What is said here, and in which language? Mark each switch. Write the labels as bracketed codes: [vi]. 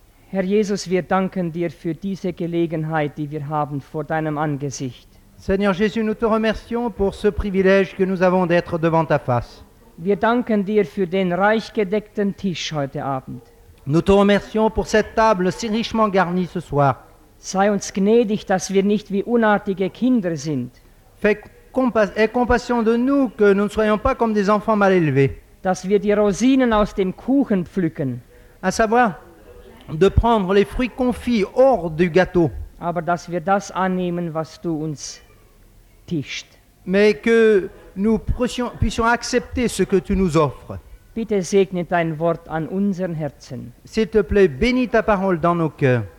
[de] Herr Jesus, wir danken dir für diese Gelegenheit, die wir haben vor deinem Angesicht. [fr] Seigneur Jésus, nous te remercions pour ce privilège que nous avons d'être devant ta face. [de] Wir danken dir für den reich gedeckten Tisch heute Abend. [fr] Nous te remercions pour cette table si richement garnie ce soir. [de] Sei uns gnädig, dass wir nicht wie unartige Kinder sind. [fr] Aie compassion de nous que nous ne soyons pas comme des enfants mal élevés. [de] Dass wir die Rosinen aus dem Kuchen pflücken. [fr] À savoir, de prendre les fruits confits hors du gâteau. [de] Aber dass wir das annehmen, was du uns tischt. [fr] Mais que nous puissions accepter ce que tu nous offres. [de] Bitte segne dein Wort an unseren Herzen. [fr] S'il te plaît, bénis ta parole dans nos cœurs.